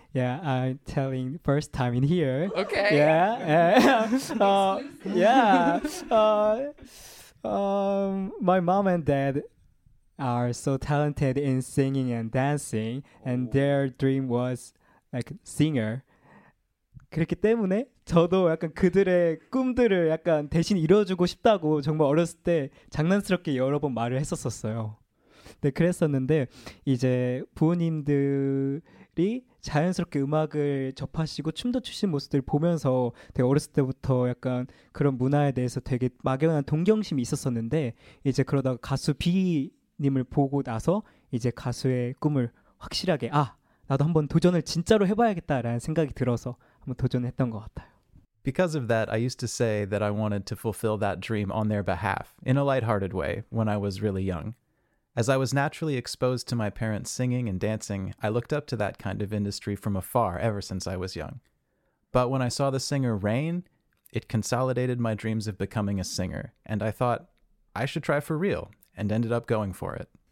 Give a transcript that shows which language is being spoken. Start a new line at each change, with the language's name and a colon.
English: Yeah, I'm telling first time in here. Okay. Yeah. my mom and dad are so talented in singing and dancing, and their dream was like singer.
Korean: 그렇기 때문에 저도 약간 그들의 꿈들을 약간 대신 이뤄주고 싶다고 정말 어렸을 때 장난스럽게 여러 번 말을 했었었어요. 네, 그랬었는데 이제 부모님들이 자연스럽게 음악을 접하시고 춤도 추신 모습들을 보면서 되게 어렸을 때부터 약간 그런 문화에 대해서 되게 막연한 동경심이 있었었는데 이제 그러다가 가수 B님을 보고 나서 이제 가수의 꿈을 확실하게 아 나도 한번 도전을 진짜로 해봐야겠다라는 생각이 들어서 한번 도전했던 것 같아요.
English: Because of that, I used to say that I wanted to fulfill that dream on their behalf in a lighthearted way when I was really young. As I was naturally exposed to my parents singing and dancing, I looked up to that kind of industry from afar ever since I was young. But when I saw the singer Rain, it consolidated my dreams of becoming a singer, and I thought, I should try for real, and ended up going for it.